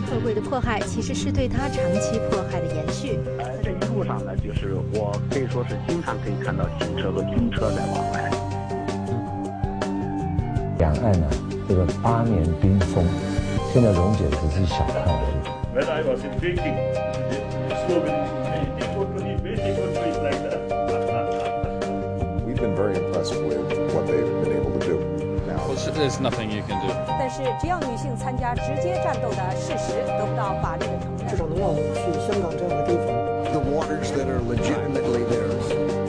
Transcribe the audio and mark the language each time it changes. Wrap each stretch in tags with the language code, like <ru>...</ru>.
<zh>社会的迫害其实是对他长期迫害的延续。这一路上呢，就是我可以说是经常可以看到警车和军车在往来。两岸呢，这个8年冰封，现在溶解只是小看而已。原来我是北京。</zh> <en>We've been very impressed with what they've been able to do. Now, well, there's nothing you can do.</en> <zh>但是，只要女性参加直接战斗的事实得不到法律的承认，至少能让我们去香港这样的地方。</zh> <en>The waters that are legitimately theirs.</en>